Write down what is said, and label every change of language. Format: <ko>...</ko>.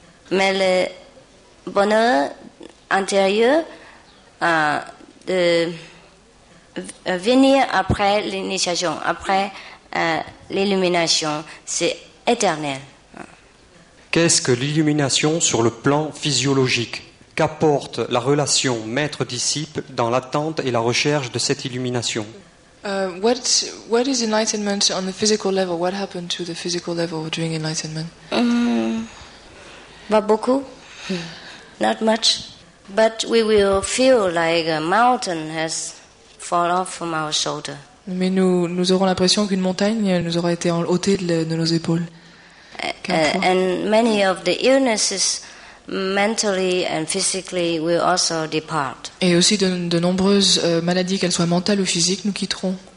<fr>Mais le bonheur intérieur de venir après l'initiation, après l'illumination, c'est éternel. Qu'est-ce que l'illumination sur le plan physiologique? Qu'apporte la relation maître-disciple dans l'attente et la recherche de cette illumination?</fr> <en>What is enlightenment on the physical level? What happened to the physical level during enlightenment?</en> <fr>Pas beaucoup.</fr> <en>Not much. But we will feel like a mountain has fallen off from our shoulder.</en> <fr>Mais nous aurons l'impression qu'une montagne nous aura été ôtée de nos épaules.</fr> <en>And many of the illnesses mentally and physically will also depart.</en> <fr>Et aussi de nombreuses maladies, qu'elles soient mentales ou physiques, nous quitteront.</fr>